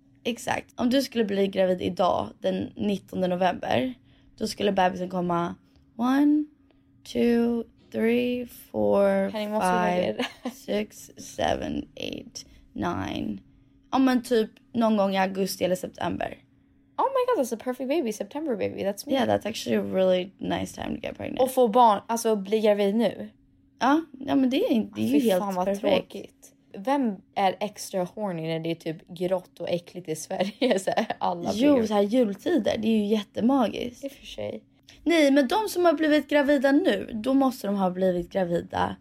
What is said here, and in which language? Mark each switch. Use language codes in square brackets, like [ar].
[sv] Exakt. Om du skulle bli gravid idag, den 19 november, då skulle bebisen komma 1, 2, 3, 4, 5, 6, 7, 8, 9. Om en typ någon gång i augusti eller september. [en] Oh my god, that's a perfect baby, September baby, that's me. Yeah, that's actually a really nice time to get pregnant. [sv] Och få barn, alltså bli gravid nu. Ja, ja men det är ju helt perfekt. Fy fan vad tråkigt. Vem är extra horny när det är typ grått och äckligt i Sverige? Så här, alla jo, så här jultider, det är ju jättemagiskt. I för sig. Nej, men de som har blivit gravida nu, då måste de ha blivit gravida.